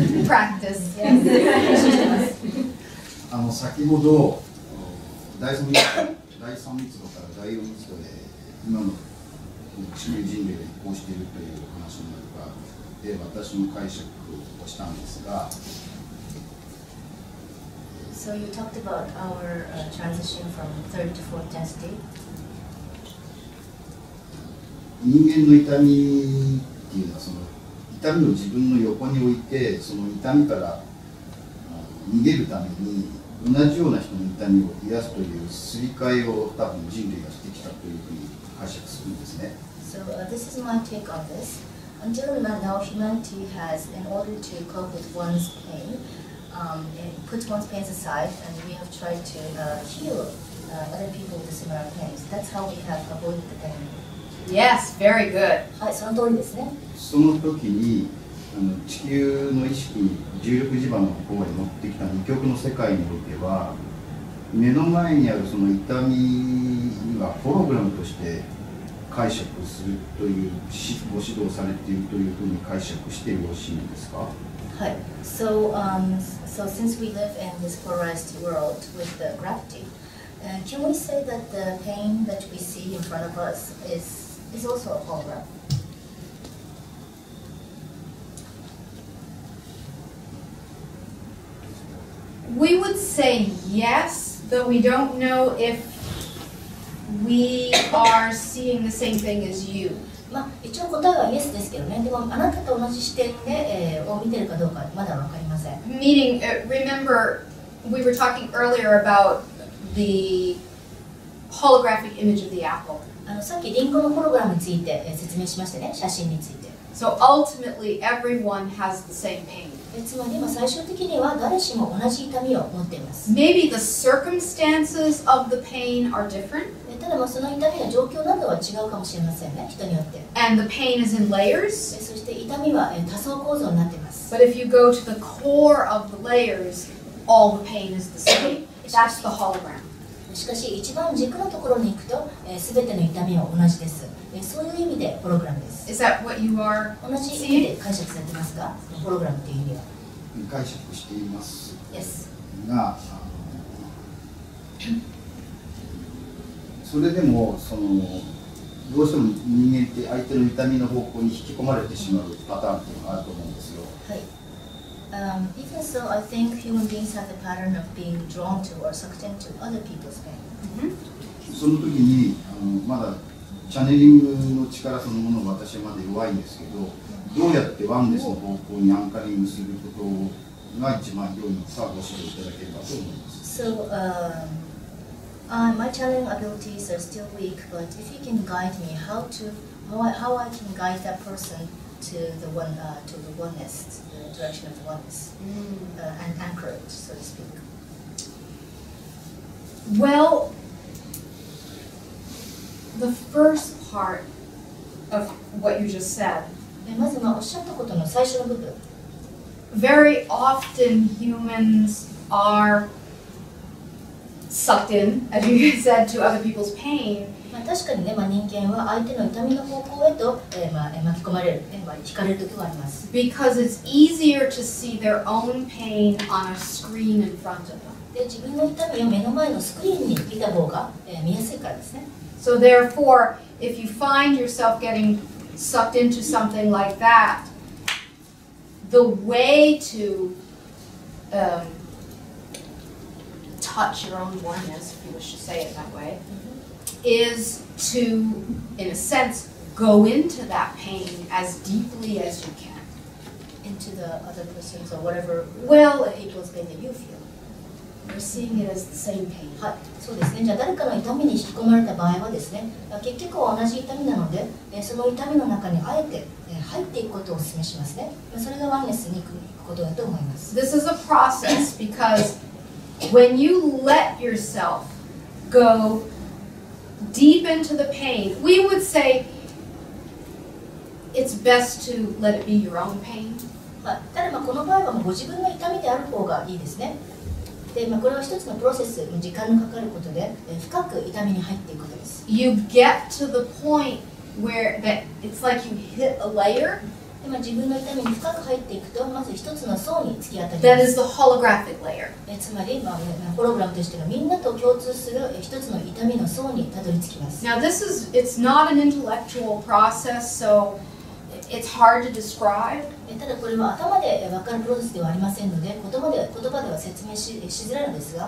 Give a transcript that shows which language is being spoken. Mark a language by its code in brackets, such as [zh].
[en] Practice。 [ja] 先ほど第三密度から第四密度で今の地球人類が移行しているという話になるかで私の解釈をしたんですが。 [en] So you talked about our transition from third to fourth density. [ja] 人間の痛みっていうのはその痛みを自分の横に置いてその痛みから逃げるために同じような人の痛みを癒すというすり替えを多分人類がしてきたというふうに解釈するんですね。 [en] So this is my take on this. Until now, humanity has, in order to cope with one's pain,and put one's pains aside, and we have tried to heal other people with similar pains. That's how we have avoided the pain. Yes, very good. [ja] はい、その通りですね。その時に地球の意識に重力磁場の方へ持ってきた二極の世界においては、目の前にあるその痛みにはホログラムとして解釈するというご指導されているというふうに解釈してよろしいんですか？ [en] So, so since we live in this polarized world with the gravity, can we say that the pain that we see in front of us is also a hologram? We would say yes, though we don't know if we are seeing the same thing as you. [ja] まあ、一応答えはイエスですけどね。でもあなたと同じ視点で、を見てるかどうかまだ分かりません。 [en] Meaning, remember, we were talking earlier about the holographic image of the apple. [ja] あのさっきリンゴのホログラムについて、説明しましたね。写真について。 [en] So ultimately, everyone has the same pain. [ja] つまり最終的には誰しも同じ痛みを持っています。 [en] Maybe the circumstances of the pain are different. [ja] ただまあその痛みの状況などは違うかもしれませんね、人によって。 [en] And the pain is in layers. [ja] そして痛みは多層構造になっています。 [en] But if you go to the core of the layers, all the pain is the same. That's the hologram. [ja] しかし一番軸のところに行くと、全ての痛みは同じです。そういう意味でホログラムです。 [en] Is that what you are seeing? [ja] 同じ意味で解釈されてますか？ホログラムという意味は。解釈しています。 [en] Yes. [ja] が、それでもそのどうしても人間って相手の痛みの方向に引き込まれてしまうパターンというのがあると思うんですよ。はい。 [en] Even so, I think human beings have the pattern of being drawn to or sucked into other people's pain. [ja] その時にまだチャネリングの力そのものが私はまだ弱いんですけど、どうやってワンネスの方向にアンカリングすることが一番良いのかご指導いただければと思います。 [en] So, my channeling abilities are still weak, but if you can guide me how I can guide that person to the one, to the oneness, the direction of the oneness, and anchor it, so to speak. Well,The first part of what you just said. [ja] まずまあおっしゃったことの最初の部分。 [en] Very often humans are sucked in, as you said, to other people's pain. [ja] まあ確かにね、まあ人間は相手の痛みの方向へと、まあ巻き込まれる、まあ惹かれる時があります。 [en] Because it's easier to see their own pain on a screen in front of them. [ja] で、自分の痛みを目の前のスクリーンに見た方が、見やすいからですね。 [en] So therefore, if you find yourself getting sucked into something like that, the way to touch your own oneness, if you wish to say it that way, is to, in a sense, go into that pain as deeply as you can. Into the other person's or whatever, well, equals pain that you feel. We're seeing it as the same pain. [ja] はい、そうですね。じゃあ誰かの痛みに引き込まれた場合はですね、結局は同じ痛みなので、その痛みの中にあえて入っていくことをお勧めしますね。それがワンネスに行くことだと思います。 [en] This is a process because when you let yourself go deep into the pain, we would say it's best to let it be your own pain. [ja] まあ、ただまあこの場合はもうご自分の痛みである方がいいですね。でまあ、これは一つのプロセス、時間がかかることで、深く痛みに入っていくことです。 [en] You get to the point where that it's like you hit a layer. [ja] でまあ、自分の痛みに深く入っていくと、まず一つの層に突き当たります [en] 。 That is the holographic layer. [ja] つまり、まあ、ホログラムとしてのみんなと共通する一つの痛みの層にたどり着きます。 [en] Now this is, it's not an intellectual process, so it's hard to describe. [ja] ただこれは頭で分かるプロセスではありませんので、言葉では説明しづらいのですが、